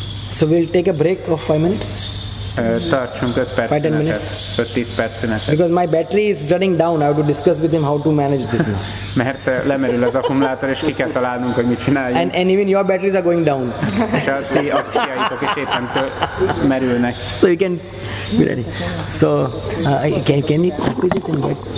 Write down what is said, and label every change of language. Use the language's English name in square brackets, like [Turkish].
[English] So we'll take a break of 5 minutes. [Hungarian] Tartsunk 5 perc szünetet. 5-10 perc szünetet. [English] Because my battery is running down, I have to discuss with him how to manage this. [Hungarian] Mert lemerül az akkumulátor, és ki kell találnunk, hogy mit csináljunk. [English] And even your batteries are going down. [Hungarian] És a ti akciáitok is éppen merülnek. [English] So you can be ready. So can you practice this and get